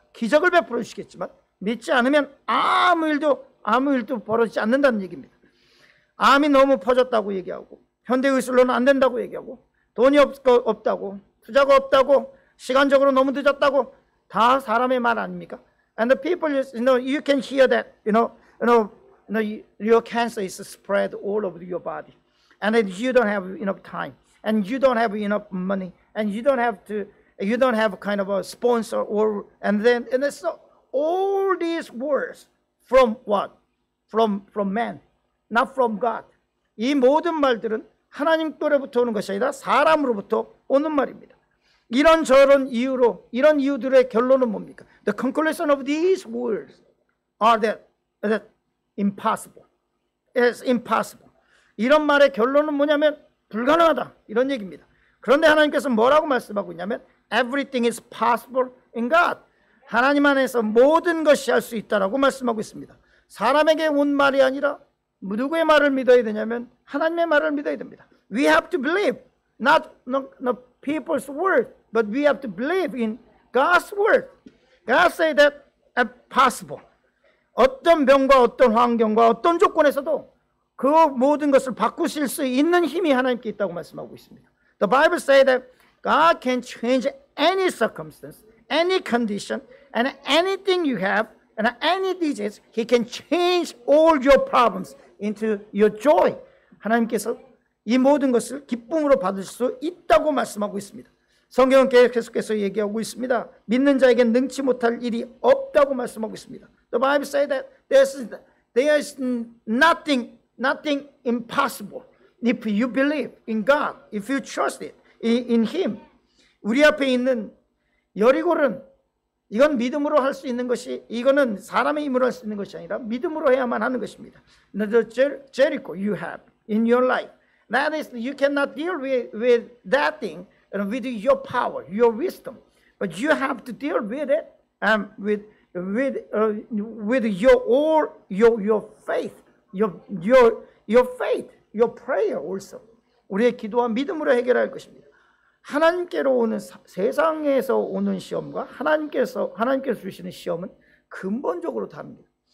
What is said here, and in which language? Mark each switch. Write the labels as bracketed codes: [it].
[ko] 기적을 베풀어 주시겠지만 믿지 않으면 아무 일도 벌어지지 않는다는 얘기입니다. 암이 너무 퍼졌다고 얘기하고 현대 의술로는 안 된다고 얘기하고 돈이 없다고 투자가 없다고 시간적으로 너무 늦었다고 다 사람의 말 아닙니까? [en] And the people, you know, you can hear that, you know, your cancer is spread all over your body, and then you don't have enough time, and you don't have enough money, and you don't have kind of a sponsor, and so all these words from what? From man, not from God. [ko] 이 모든 말들은 하나님 께로부터 오는 것이 아니라 사람으로부터 오는 말입니다. 이런 저런 이유로 이런 이유들의 결론은 뭡니까? [en] The conclusion of these words are that impossible. It's impossible. [ko] 이런 말의 결론은 뭐냐면 불가능하다 이런 얘기입니다. 그런데 하나님께서 뭐라고 말씀하고 있냐면 [en] everything is possible in God. [ko] 하나님 안에서 모든 것이 할 수 있다라고 말씀하고 있습니다. 사람에게 온 말이 아니라 누구의 말을 믿어야 되냐면 하나님의 말을 믿어야 됩니다. [en] We have to believe not people's word, but we have to believe in God's word. God said that possible. [ko] 어떤 병과 어떤 환경과 어떤 조건에서도 그 모든 것을 바꾸실 수 있는 힘이 하나님께 있다고 말씀하고 있습니다. [en] The Bible said that God can change any circumstance, any condition, and anything you have, and any disease, He can change all your problems into your joy. [ko] 하나님께서 이 모든 것을 기쁨으로 받을 수 있다고 말씀하고 있습니다. 성경은 계속해서 얘기하고 있습니다. 믿는 자에게 능치 못할 일이 없다고 말씀하고 있습니다. [en] The Bible says that there is nothing impossible if you believe in God, if you trust it in Him. [ko] 우리 앞에 있는 여리고는 이건 믿음으로 할 수 있는 것이 이거는 사람의 힘으로 할 수 있는 것이 아니라 믿음으로 해야만 하는 것입니다. [en] The Jericho you have in your life. That is, you cannot deal with that thing and with your power, your wisdom, but you have to deal with it and with your all your faith, your faith, your prayer also. [ko] 우리의 기도와 믿음으로 해결할 것입니다. 하나님께로 오는 세상에서 오는 시험과 하나님께서 주시는 시험은 근본적으로 다릅니다.